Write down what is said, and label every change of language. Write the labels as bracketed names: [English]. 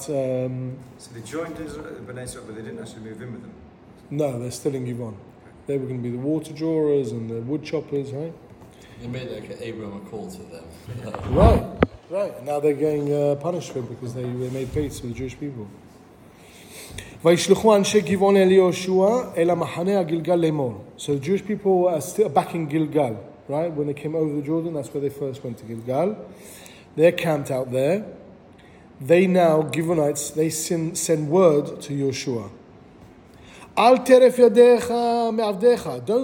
[English] so they joined Israel, Bnei Israel, but they didn't actually move in with them. No, they're still in Givon. They were going to be the water drawers and the wood choppers, right? They made like Abraham a call to them. right. Now they're getting punished for it because they made peace with the Jewish people. [Hebrew] וישלחו אנשי גבעון אל יהושע, אל המחנה הגלגל לאמור. [English] So the Jewish people are still back in Gilgal, right? When they came over the Jordan, that's where they first went to Gilgal. They're camped out there. They now, Givonites, they send word to Yehoshua. [Hebrew] Al teref yadecha me'avdecha.